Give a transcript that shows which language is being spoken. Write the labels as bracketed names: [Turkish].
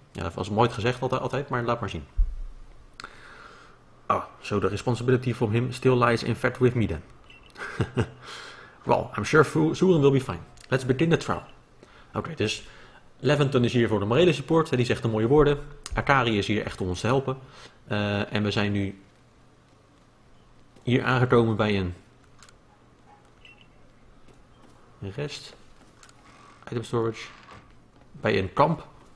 [Dutch] Ja, dat was mooi gezegd altijd, maar laat maar zien. [English] Ah, so the responsibility from him still lies in fact with me then. Well, I'm sure Soren will be fine. Let's begin the trial. [Dutch] Okay, dus Leventon is hier voor de morele support. Die zegt de mooie woorden. Akari is hier echt om ons te helpen. En we zijn nu hier aangekomen bij een rest. Item storage. Bij een kamp.